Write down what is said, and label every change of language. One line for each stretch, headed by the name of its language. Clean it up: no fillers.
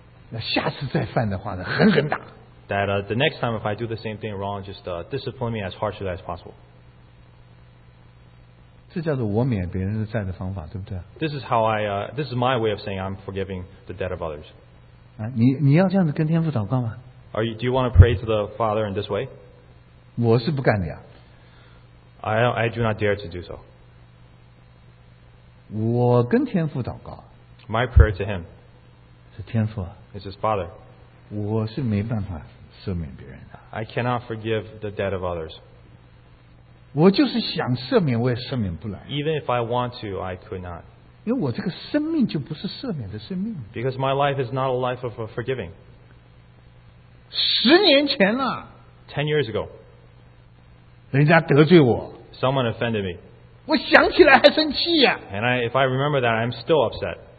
Chinese: 那下次再犯的话呢，狠狠打。
English: That the next time if I do the same thing wrong, just discipline me as harshly as possible.
Chinese: 这叫做我免别人的债的方法，对不对
English: ？This is how I this is my way of saying I'm forgiving the debt of others.
Chinese: 啊，你要这样子跟天父祷告吗
English: ？Are you do you want to pray to the Father in this way?
Chinese: 我是不敢的呀。
English: I do not dare to do so.
Chinese: 我跟天父祷告。
English: My prayer to him is his father.
Chinese: 我是没办法赦免别人的。
English: I cannot forgive the debt of others.
Chinese: 我就是想赦免，我也赦免不来。
English: Even if I want to, I could not.
Chinese: 因为我这个生命就不是赦免的生命。
English: Because my life is not a life of forgiving.
Chinese: 十年前了。
English: 10 years ago.
Chinese: 人家得罪我。
English: Someone offended me.
Chinese: 我想起来还生气呀。
English: And if I remember that, I'm still upset.